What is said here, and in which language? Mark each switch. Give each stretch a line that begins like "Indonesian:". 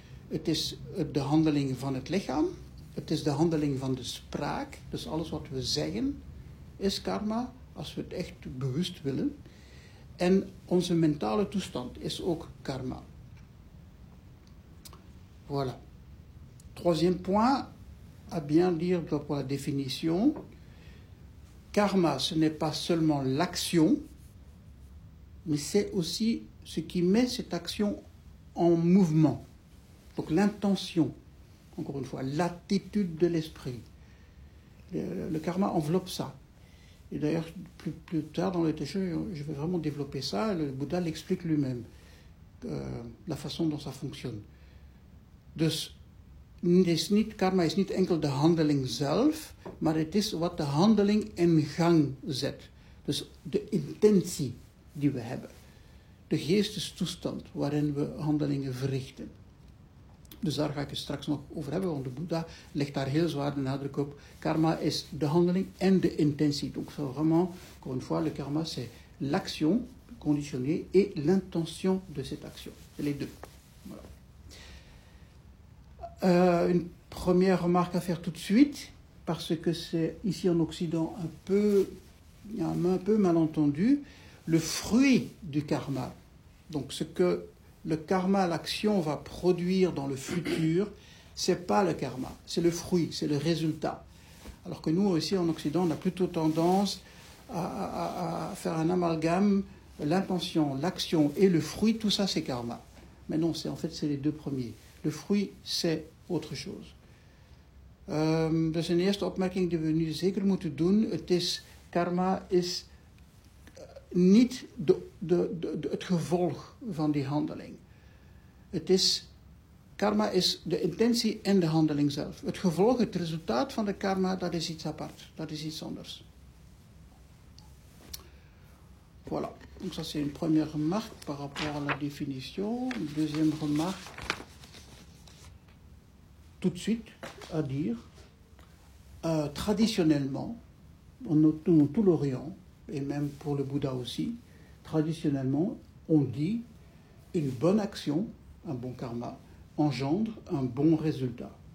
Dutch: Het is de handeling van het lichaam. Het is de handeling van de spraak. Dus alles wat we zeggen is karma, als we het echt bewust willen. En onze mentale toestand is ook karma.
French: Voilà. Troisième point, à bien dire pour la définition. Karma, ce n'est pas seulement l'action, mais c'est aussi ce qui met cette action en mouvement. Donc l'intention, encore une fois, l'attitude de l'esprit. Le karma enveloppe ça. Et d'ailleurs, plus tard dans le Teshuva, je vais vraiment développer ça, le Bouddha l'explique lui-même, la façon dont ça fonctionne.
Dutch: Dus karma is niet enkel de handeling zelf, maar het is wat de handeling in gang zet. Dus de intentie die we hebben. De geestestoestand waarin we handelingen verrichten. Dus daar ga ik het straks nog over hebben, want de Boeddha legt daar heel zwaar de nadruk op. Karma is de handeling en de intentie.
French: Donc c'est vraiment, encore une fois, le karma c'est l'action conditionnée et l'intention de cette action. Les deux. Une première remarque à faire tout de suite, parce que c'est ici en Occident un peu mal entendu, le fruit du karma, donc ce que le karma, l'action va produire dans le futur, c'est pas le karma, c'est le fruit, c'est le résultat. Alors que nous aussi en Occident, on a plutôt tendance à faire un amalgame, l'intention, l'action et le fruit, tout ça c'est karma. Mais non, c'est les deux premiers. Le fruit, c'est autre chose.
Dutch: Dus een eerste opmerking die we nu zeker moeten doen, het is, karma is niet de het gevolg van die handeling. Karma is de intentie en de handeling zelf. Het gevolg, het resultaat van de karma, dat is iets apart, dat is iets anders.
French: Voilà, donc ça c'est une première remarque par rapport à la définition. Deuxième remarque, tout de suite, à dire, traditionnellement, dans tout l'Orient, et même pour le Bouddha aussi, traditionnellement, on dit une bonne action, un bon karma, engendre un bon résultat.